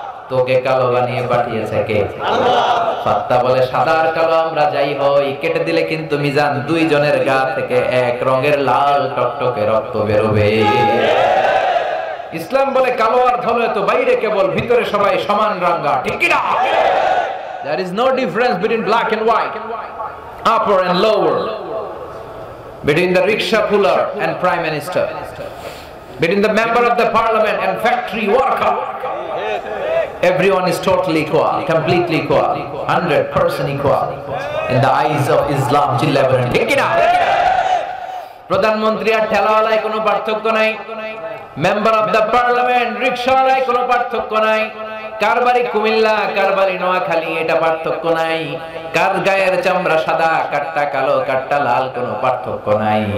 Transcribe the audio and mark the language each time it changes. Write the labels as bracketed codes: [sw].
[bn] তোকে কালো বানিয়ে পাঠিয়েছে কে? আল্লাহ। ফাত্তাহ বলে, সাদা আর কালো আমরা যাই হই, কেটে দিলে কিন্তু মিজান দুইজনের গা থেকে এক রঙের লাল টকটকে রক্ত বেরোবে। ইসলাম বলে কালো আর ধুলো তো বাইরে কেবল, ভিতরে সবাই সমান রাঙা, ঠিক কি না? [en] There is no difference between black and white, upper and lower, between the rickshaw puller and prime minister, between the member of the parliament and factory worker. Everyone is totally equal, completely equal, 100% equal in the eyes of Islam. [bn] ঠিক কি না? প্রধানমন্ত্রী আর ঠেলাওয়ালায় কোনো পার্থক্য নাই, member of the parliament রিকশাওয়ালায় কোনো পার্থক্য নাই, কার বাড়ি কুমিল্লা কার বাড়ি নোয়াখালী এটা পার্থক্য নাই, কার গায়ের চামড়া সাদা কাটটা কালো কাটটা লাল কোনো পার্থক্য নাই।